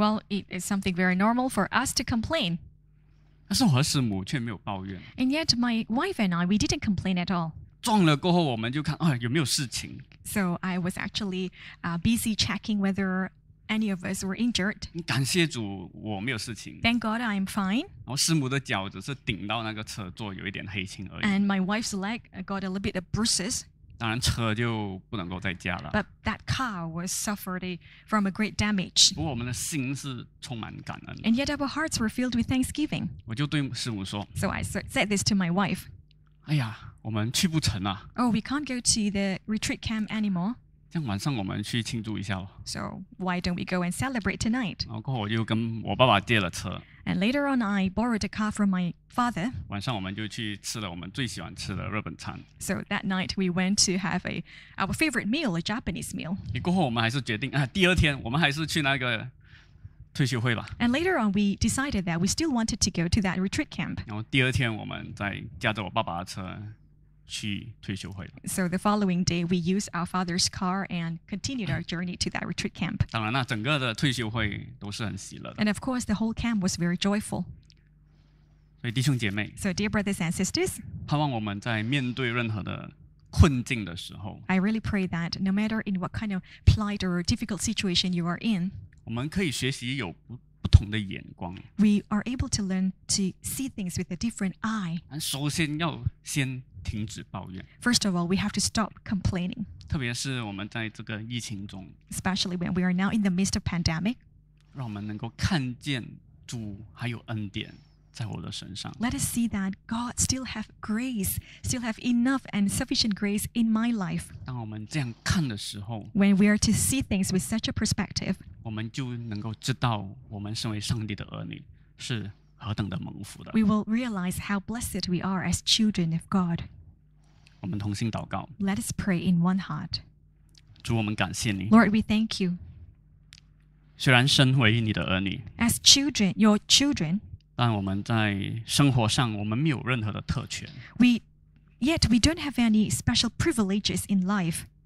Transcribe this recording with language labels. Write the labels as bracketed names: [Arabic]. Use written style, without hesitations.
[English] Well, it is something very normal for us to complain. [Chinese] 但是我和师母却没有抱怨。 [English] And yet, my wife and I, we didn't complain at all. [Chinese] 撞了过后我们就看、哎、有没有事情。 [English] So I was actually busy checking whether any of us were injured. [Chinese] 感谢主我没有事情。 [English] Thank God, I'm fine. [Chinese] 然后师母的脚只是顶到那个车座有一点黑青而已。 [English] And my wife's leg got a little bit of bruises. [Chinese] 当然车就不能够再驾了。 [English] But that car was suffered from a great damage. [Chinese] 不过我们的心是充满感恩的。 [English] And yet our hearts were filled with thanksgiving. [Chinese] 我就对师母说。 [English] So I said this to my wife. [Chinese] 哎呀，我们去不成啊。 [English] Oh, we can't go to the retreat camp anymore. [Chinese] 这样晚上我们去庆祝一下咯。 [English] So why don't we go and celebrate tonight? [Chinese] 然后过后我就跟我爸爸借了车。 [English] And later on, I borrowed a car from my father. [Chinese] 晚上我们就去吃了我们最喜欢吃的日本餐。 [English] So that night, we went to have our favorite meal, a Japanese meal. [Chinese] 过后我们还是决定、啊、第二天我们还是去那个退休会吧。 [English] And later on, we decided that we still wanted to go to that retreat camp. [Chinese] 然后第二天我们再驾着我爸爸的车去退休会了。 [English] So the following day, we used our father's car and continued our journey to that retreat camp. [Chinese] 当然了，整个的退休会都是很喜乐的。 [English] And of course, the whole camp was very joyful. [Chinese] 所以弟兄姐妹 [English] ，So dear brothers and sisters, [Chinese] 盼望我们在面对任何的困境的时候 [English] ，I really pray that no matter in what kind of plight or difficult situation you are in, [Chinese] 我们可以学习有不同的眼光。 [English] We are able to learn to see things with a different eye. [Chinese] 首先要先停止抱怨。 [English] First of all, we have to stop complaining. [Chinese] 特别是我们在这个疫情中。 [English] Especially when we are now in the midst of pandemic. [Chinese] 让我们能够看见主还有恩典在我的身上。 [English] Let us see that God still have grace, still have enough and sufficient grace in my life. [Chinese] 当我们这样看的时候。 [English] When we are to see things with such a perspective. [Chinese] 我们就能够知道我们身为上帝的儿女是何等的蒙福的。 [English] We will realize how blessed we are as children of God. [Chinese] 我们同心祷告。 [English] Let us pray in one heart. [Chinese] 主，我们感谢你。 [English] Lord, we thank you. [Chinese] 虽然身为你的儿女。 [English] As children, your children. [Chinese] 但我们在生活上我们没有任何的特权。 [English] Yet we don't have any special privileges in life.